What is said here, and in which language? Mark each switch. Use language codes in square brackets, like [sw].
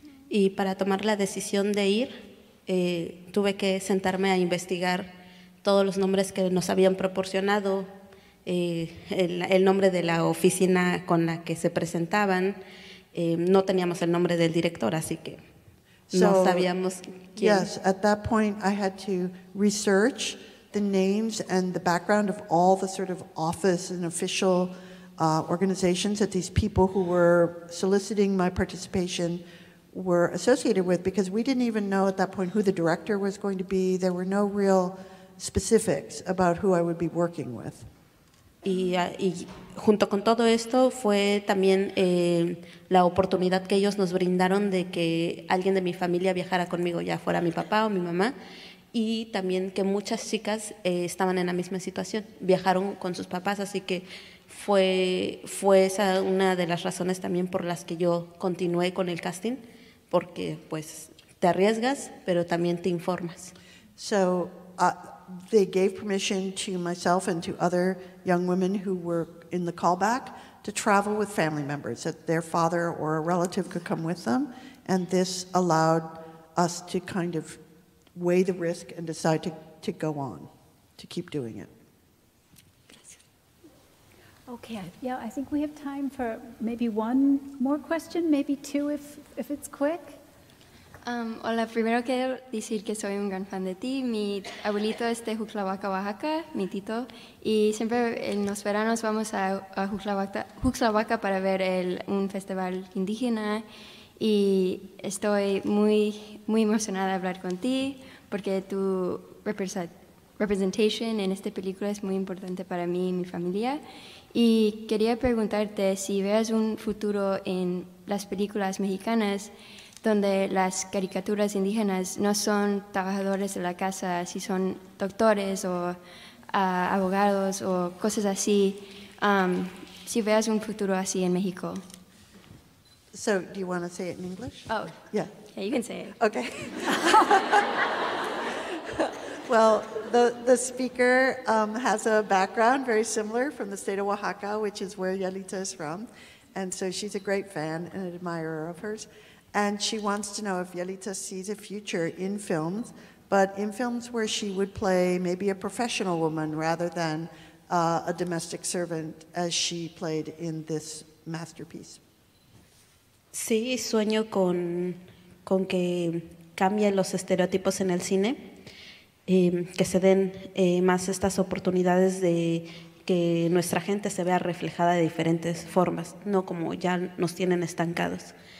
[es] Y para tomar la decisión de ir, tuve que sentarme a investigar todos los nombres que nos habían proporcionado, el nombre de la oficina con la que se presentaban. No teníamos el nombre del director, así que no sabíamos quién. [en] Yes, at that point I had to research the names and the background of all the sort of office and official organizations that these people who were soliciting my participation were associated with, because we didn't even know at that point who the director was going to be. There were no real specifics about who I would be working with. [es] Y junto con todo esto fue también la oportunidad que ellos nos brindaron de que alguien de mi familia viajara conmigo, ya fuera mi papá o mi mamá, y también que muchas chicas estaban en la misma situación, viajaron con sus papás, así que fue esa una de las razones también por las que yo continué con el casting, porque pues te arriesgas, pero también te informas. [en] So, they gave permission to myself and to other young women who were in the callback to travel with family members, that their father or a relative could come with them, and this allowed us to kind of weigh the risk and decide to go on, to keep doing it. Okay, yeah, I think we have time for maybe one more question, maybe two if it's quick. [es] Hola, primero quiero decir que soy un gran fan de ti. Mi abuelito es de Juxlahuaca, Oaxaca, mi tito, y siempre en los veranos vamos a Juxlahuaca para ver un festival indígena, y estoy muy, muy emocionada de hablar con ti porque tu representation en esta película es muy importante para mí y mi familia. Y quería preguntarte si veas un futuro en las películas mexicanas donde las caricaturas indígenas no son trabajadores de la casa, si son doctores o abogados o cosas así, si veas un futuro así en México. [en] So, do you want to say it in English? Oh, yeah, you can say it. Okay. Well, the speaker has a background very similar from the state of Oaxaca, which is where Yalitza is from, and so she's a great fan and an admirer of hers. And she wants to know if Yalitza sees a future in films, but in films where she would play maybe a professional woman rather than a domestic servant as she played in this masterpiece. [es] Sí, sueño con que cambien los estereotipos en el cine, que se den más estas oportunidades de que nuestra gente se vea reflejada de diferentes formas, no como ya nos tienen estancados.